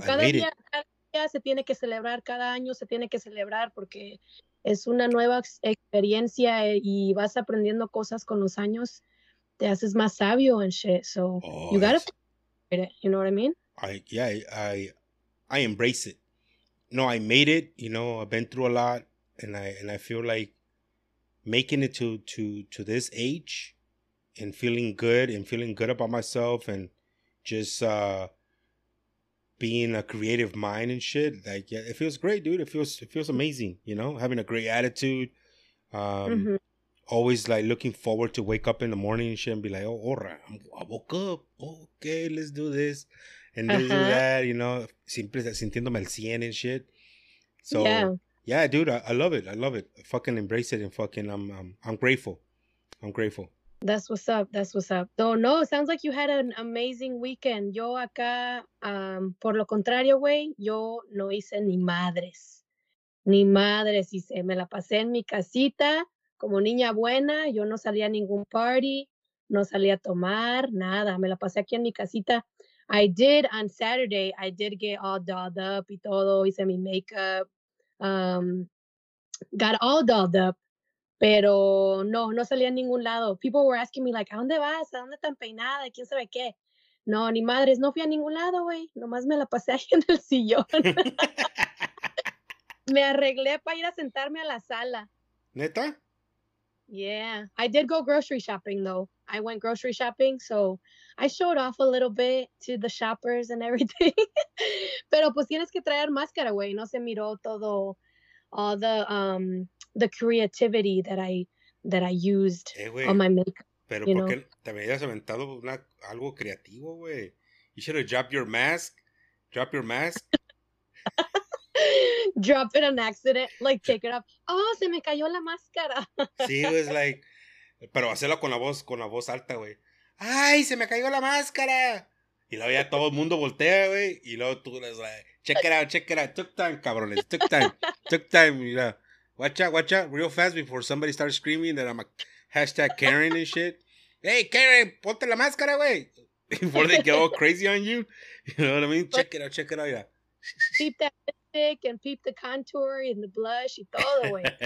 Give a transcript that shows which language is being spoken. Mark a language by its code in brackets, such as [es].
[es] cada día se tiene que celebrar, cada año se tiene que celebrar porque es una nueva experiencia y vas aprendiendo cosas con los años. Te haces más sabio and shit. [en] So you gotta celebrate it, you know what I mean? I embrace it. No, I made it, you know, I've been through a lot, and I feel like making it to this age and feeling good about myself and just being a creative mind and shit, like, yeah, it feels great, dude. It feels amazing, you know, having a great attitude, always like looking forward to wake up in the morning and shit and be like, oh, orra, I woke up, okay, let's do this. And this and that, you know, [es] siempre sintiéndome al 100 [en] and shit. So, yeah dude, I love it. I love it. I fucking embrace it and fucking I'm grateful. I'm grateful. That's what's up. That's what's up. So, no, sounds like you had an amazing weekend. [es] Yo acá, por lo contrario, güey, yo no hice ni madres. Ni madres hice. Me la pasé en mi casita como niña buena. Yo no salí a ningún party. No salí a tomar, nada. Me la pasé aquí en mi casita. [en] I did on Saturday, I did get all dolled up [es] y todo, hice mi makeup, [en] got all dolled up, [es] pero no salí a ningún lado. [en] People were asking me like, [es] ¿a dónde vas? ¿A dónde tan peinada? ¿Quién sabe qué? No, ni madres, no fui a ningún lado, güey. Nomás me la pasé ahí en el sillón. Me arreglé para ir a sentarme a la sala. ¿Neta? [en] Yeah, I did go grocery shopping though. I went grocery shopping, so I showed off a little bit to the shoppers and everything. [es] Pero pues tienes que traer máscara, güey. No se miró todo, [en] all the creativity that I used on my makeup. [es] Pero porque te habías aventado algo creativo, güey. [en] You should have dropped your mask. Drop your mask. Drop it on accident. Like, take it off. [es] Oh, se me cayó la máscara. Sí, [en] it was like. [es] Pero hacerlo con la voz alta, güey. ¡Ay, se me cayó la máscara! Y luego ya todo el mundo voltea, güey. Y luego tú, [en] like, check it out, check it out. Took time, cabrones. Took time. Took time. Mira, Watch out, real fast before somebody starts screaming that I'm a hashtag Karen and shit. Hey, Karen, [es] ponte la máscara, güey. [en] Before they go crazy on you. You know what I mean? But check it out, check it out, yeah. Peep that lipstick and peep the contour and the blush and throw it away.